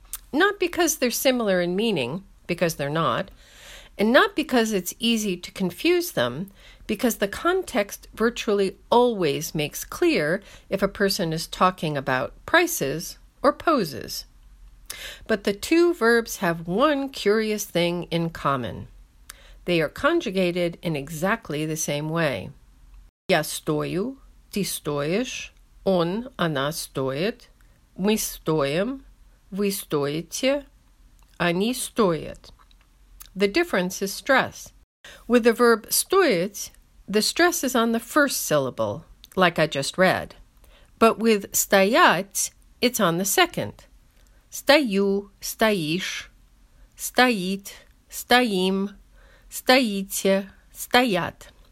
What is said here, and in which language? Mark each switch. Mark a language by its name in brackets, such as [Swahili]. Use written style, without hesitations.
[English] Not because they're similar in meaning, because they're not, and not because it's easy to confuse them, because the context virtually always makes clear if a person is talking about prices or poses. But the two verbs have one curious thing in common. They are conjugated in exactly the same way. [Russian] Я стою, ты стоишь, он, она стоит, мы стоим, вы стоите, они стоят. [English] The difference is stress. With the verb стоит, the stress is on the first syllable, like I just read. But with стоять, it's on the second. [Russian] Стою, стоишь, стоит, стоим, стоите, стоят.